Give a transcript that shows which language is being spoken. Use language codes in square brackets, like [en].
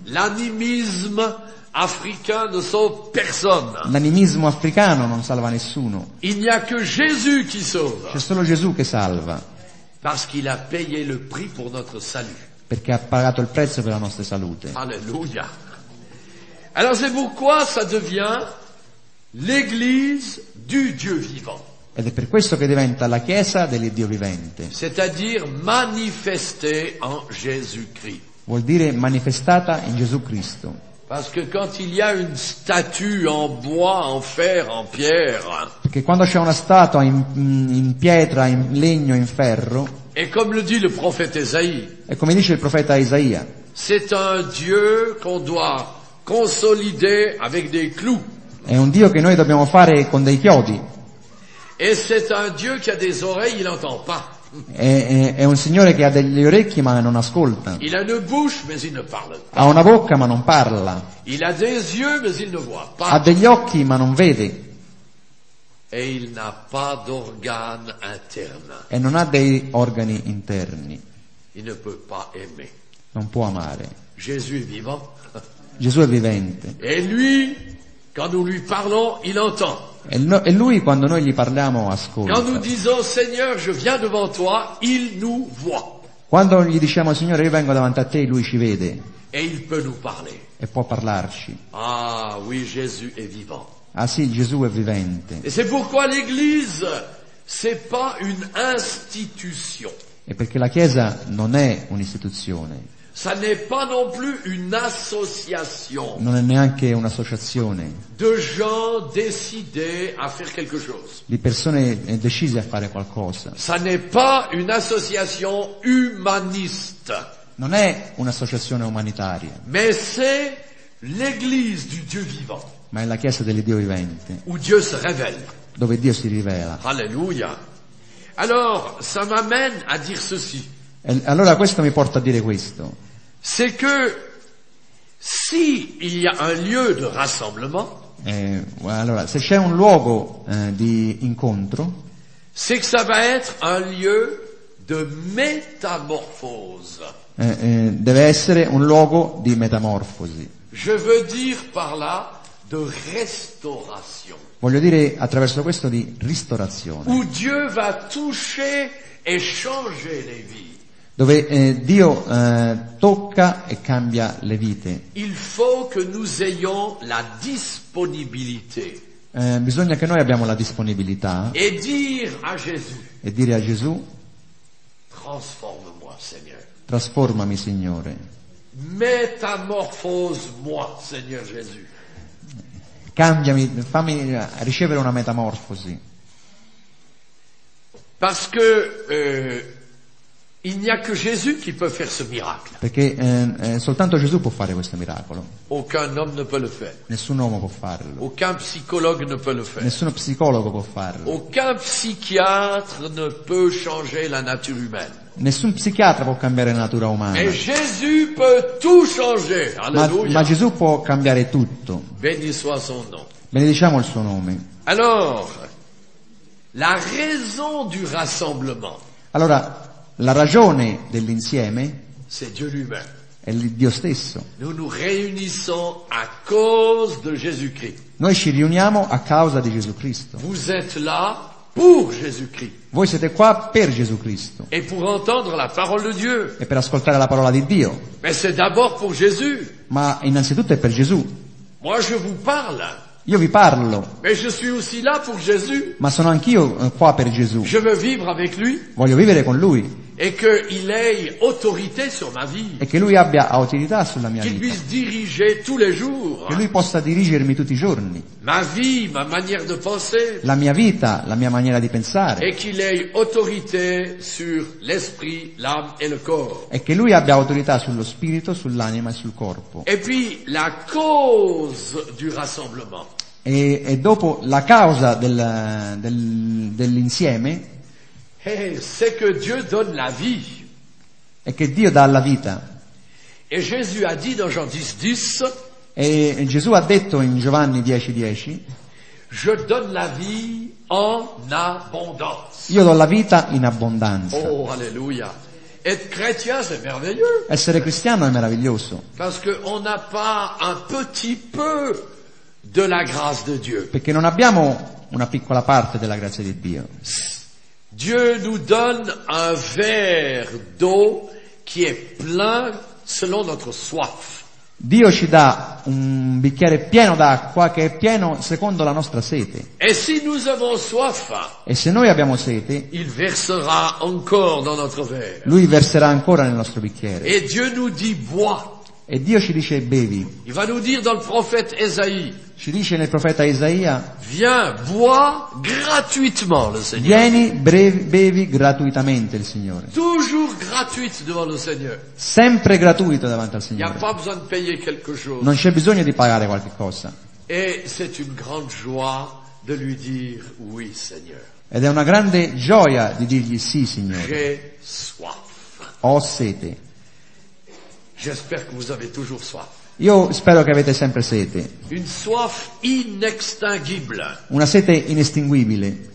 [fr] L'animisme africain ne sauve personne. [it] L'animismo africano non salva nessuno. [fr] Il n'y a que Jésus qui sauve. [it] C'è solo Gesù che salva. [fr] Parce qu'il a payé le prix pour notre salut. [it] Perché ha pagato il prezzo per la nostra salute. [fr] Alléluia. Alors c'est pourquoi ça devient l'Église du Dieu vivant. [it] Ed è per questo che diventa la Chiesa del Dio vivente. [fr] C'est-à-dire manifestée en Jésus-Christ. [it] Vuol dire manifestata in Gesù Cristo. [fr] Parce que quand il y a une statue en bois, en fer, en pierre. [it] Perché quando c'è una statua in pietra, in legno, in ferro. [fr] Et comme le dit le prophète Esaïe. [it] E come dice il profeta Isaia. [fr] C'est un Dieu qu'on doit consolider avec des clous. [it] È un Dio che noi dobbiamo fare con dei chiodi. [fr] Et c'est un Dieu qui a des oreilles, il n'entend pas. [it] È un Signore che ha degli orecchi ma non ascolta. [fr] Il a une bouche, mais il ne parle pas. [it] Ha una bocca ma non parla. [fr] Il a des yeux, mais il ne voit pas. [it] Ha degli occhi ma non vede. [fr] Et il n'a pas d'organe interne. [it] E non ha dei organi interni. [fr] Il ne peut pas aimer. [it] Non può amare. [fr] Jésus est vivant. [it] Gesù è vivente. [fr] Et lui, quand nous lui parlons, il entend. [it] E lui quando noi gli parliamo ascolta. [fr] Quand nous disons Seigneur, je viens devant toi, il nous voit. [it] Quando gli diciamo Signore, io vengo davanti a te, lui ci vede. [fr] Et il peut nous parler. [it] E può parlarci. [fr] Ah oui, Jésus est vivant. [it] Ah sì, Gesù è vivente. [fr] Et c'est pourquoi l'Église, c'est pas une institution. [it] E perché la Chiesa non è un'istituzione. [fr] Ça n'est pas non plus une association. [it] Non è neanche un'associazione. [fr] De gens décidés à faire quelque chose. [it] Di persone decise a fare qualcosa. [fr] Ça n'est pas une association humaniste. [it] Non è un'associazione umanitaria. [fr] Mais c'est l'Église du Dieu vivant. [it] Ma è la Chiesa del Dio vivente. [fr] Où Dieu se révèle. [it] Dove Dio si rivela. [fr] Alléluia. Alors, ça m'amène à dire ceci. [it] Allora questo mi porta a dire questo. [fr] C'est que si il y a un lieu de rassemblement, [it] allora se c'è un luogo di incontro, [fr] c'est que ça va être un lieu de métamorphose. [it] Deve essere un luogo di metamorfosi. [fr] Je veux dire par là de restauration. [it] Voglio dire attraverso questo di ristorazione. [fr] Où Dieu va toucher et changer les vies. [it] Dove Dio tocca e cambia le vite. [fr] Il faut que nous ayons la disponibilité. [it] Bisogna che noi abbiamo la disponibilità. [fr] Et dire à Jésus. [it] E dire a Gesù. [fr] Transforme-moi, Seigneur. [it] Trasformami, Signore. [fr] Metamorphose-moi, Seigneur Jésus. [it] Cambiami, fammi ricevere una metamorfosi. [fr] Parce que il n'y a que Jésus qui peut faire ce miracle. [it] Perché soltanto Gesù può fare questo miracolo. [fr] Aucun homme ne peut le faire. [it] Nessun uomo può farlo. [fr] Aucun psychologue ne peut le faire. [it] Nessuno psicologo può farlo. [fr] Aucun psychiatre ne peut changer la nature humaine. [it] Nessun psichiatra può cambiare la natura umana. [fr] Mais Jésus peut tout changer. [it] Ma Gesù può cambiare tutto. [fr] Béni soit son nom. [it] Benediciamo il suo nome. [fr] Alors, la raison du rassemblement. [it] Allora, la ragione dell'insieme [fr] c'est Dieu lui-même. [it] è Dio stesso. [fr] Nous nous réunissons à cause de Jésus-Christ. [it] Noi ci riuniamo a causa di Gesù Cristo. [fr] Vous êtes là pour Jésus-Christ. [it] Voi siete qua per Gesù Cristo. [fr] Et pour entendre la parole de Dieu. [it] E per ascoltare la parola di Dio. [fr] Mais c'est d'abord pour Jésus. [it] Ma innanzitutto è per Gesù. [fr] Moi je vous parle. [it] Io vi parlo. [fr] Mais je suis aussi là pour Jésus. [it] Ma sono anch'io qua per Gesù. [fr] Je veux vivre avec lui. [it] Voglio vivere con lui. [fr] Et que il ait autorité sur ma vie. [it] E che lui abbia autorità sulla mia [fr] qu'il Qu'il puisse diriger tous les jours. [it] Che lui possa dirigermi tutti i giorni. [fr] Ma vie, ma manière de penser. [it] La mia vita, la mia maniera di pensare. [fr] Et qu'il ait autorité sur l'esprit, l'âme et le corps. [it] E che lui abbia autorità sullo spirito, sull'anima e sul corpo. [fr] Et puis la cause du rassemblement. [it] E dopo la causa del, del dell'insieme. [fr] C'est que Dieu donne la vie. [it] E che Dio dà la vita. [fr] Et Jésus a dit dans Jean 10:10. [it] E Gesù ha detto in Giovanni 10:10. [fr] Je donne la vie en abondance. [it] Io do la vita in abbondanza. [fr] Oh alléluia. Être chrétien c'est merveilleux. [it] Essere cristiano è meraviglioso. [fr] Parce que on n'a pas un petit peu de la grâce de Dieu. [it] Perché non abbiamo una piccola parte della grazia di Dio. [fr] Dieu nous donne un verre d'eau qui est plein selon notre soif. [it] Dio ci dà un bicchiere pieno d'acqua che è pieno secondo la nostra sete. [fr] Et si nous avons soif, [it] e se noi abbiamo sete, [fr] il versera encore dans notre verre. [it] Lui verserà ancora nel nostro bicchiere. [fr] Et Dieu nous dit bois. [it] E Dio ci dice bevi. [fr] Il va nous dire dans le prophète Esaïe. [it] Ci dice nel profeta Isaia. [fr] Viens, bois gratuitement le Seigneur. [it] Vieni, bevi gratuitamente il Signore. [fr] Toujours gratuit devant le Seigneur. [it] Sempre gratuito davanti al Signore. [fr] Il n'y a pas besoin de payer quelque chose. [it] Non c'è bisogno di pagare qualche cosa. [fr] Et c'est une grande joie de lui dire oui, Seigneur. [it] Ed è una grande gioia di dirgli sì, Signore. [fr] J'ai soif. [it] Ho sete. [fr] J'espère que vous avez toujours soif. [it] Io spero che avete sempre sete. [fr] Une soif inextinguible. [it] Una sete inestinguibile.